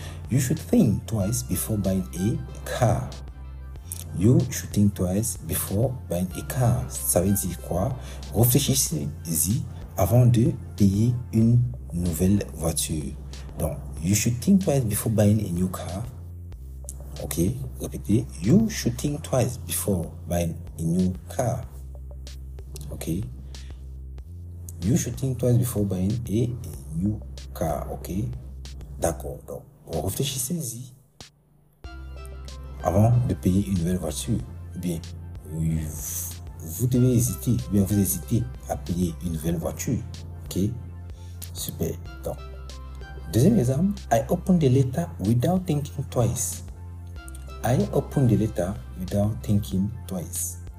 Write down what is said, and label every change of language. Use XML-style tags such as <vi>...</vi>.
<en>You should think twice before buying a car. You should think twice before buying a car.</en> <fr>Ça veut dire quoi? Réfléchissez-y avant de payer une nouvelle voiture.</fr> <en>Donc, you should think twice before buying a new car.</en> <fr>Ok, répétez.</fr> <en>You should think twice before buying a new car. Ok. You should think twice before buying a new car.</en> <fr>Ok. D'accord. Donc, réfléchissez-y avant de payer une nouvelle voiture. Ou bien, vous devez hésiter. Ou bien, vous hésitez à payer une nouvelle voiture. Ok. Super. Donc, deuxième exemple.</fr> <en>I opened the letter without thinking twice. I open the letter without thinking twice.</en>